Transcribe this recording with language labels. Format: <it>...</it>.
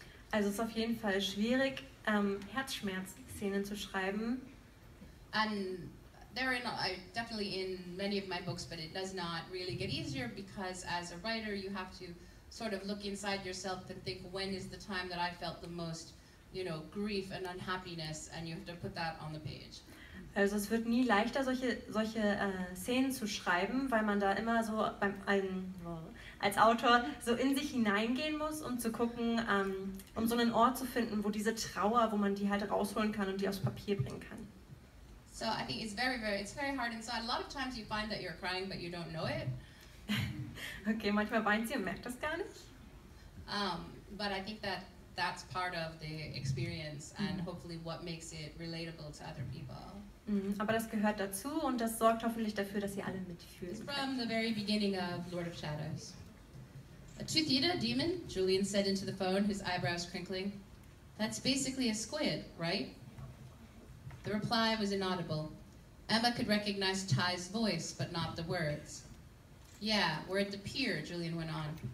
<de>Also es ist auf jeden Fall schwierig, Herzschmerz-Szenen zu schreiben.</de> <en>And they're definitely in many of my books, but it does not really get easier because as a writer, you have to sort of look inside yourself and think, when is the time that I felt the most, you know, grief and unhappiness, and you have to put that on the page.</en> <de>Also es wird nie leichter, solche Szenen zu schreiben, weil man da immer so beim als Autor so in sich hineingehen muss, um zu gucken, um so einen Ort zu finden, wo diese Trauer, wo man die halt rausholen kann und die aufs Papier bringen kann.</de> <en>So I think it's very hard inside. A lot of times you find that you're crying, but you don't know it.</en> <de>Okay, manchmal weint sie und merkt das gar nicht.</de> <en>But I think that that's part of the experience and hopefully what makes it relatable to other people.</en> <de>Aber das gehört dazu und das sorgt hoffentlich dafür, dass sie alle mitfühlen.</de> <en>It's from the very beginning of Lord of Shadows. A Tuthita demon, Julian said into the phone, his eyebrows crinkling. That's basically a squid, right? The reply was inaudible. Emma could recognize Ty's voice, but not the words. Yeah, we're at the pier, Julian went on.</en>